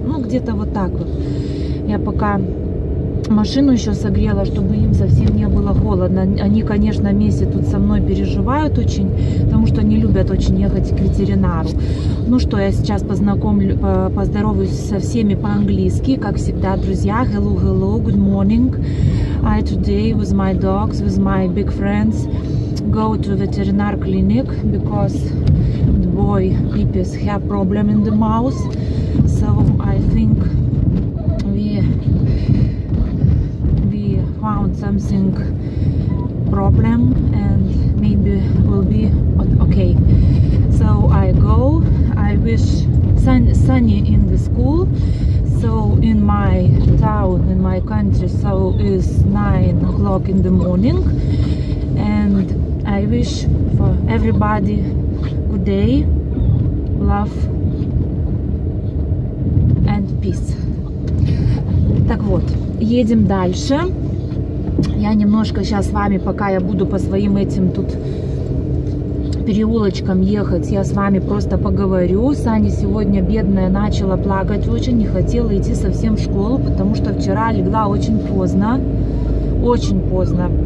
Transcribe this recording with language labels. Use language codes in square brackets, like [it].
[ru] Ну, где-то вот так вот. Я пока машину еще согрела, чтобы им совсем не было холодно. Они, конечно, вместе тут со мной переживают очень, потому что они любят очень ехать к ветеринару. Ну что, я сейчас поздороваюсь со всеми по-английски, как всегда, друзья. [en] Hello, hello, good morning. I today with my dogs, with my big friends, go to veterinar clinic, because the boy Pipis have problem in the mouth. So I think we found something problem and maybe will be okay. So I go. I wish sunny in the school. So in my town, in my country, so is 9 o'clock in the morning. And I wish for everybody good day, love and peace. [ru] Так вот, едем дальше. Я немножко сейчас с вами, пока я буду по своим этим тут переулочкам ехать, я с вами просто поговорю. Саня сегодня, бедная, начала плакать очень, не хотела идти совсем в школу, потому что вчера легла очень поздно. Очень поздно.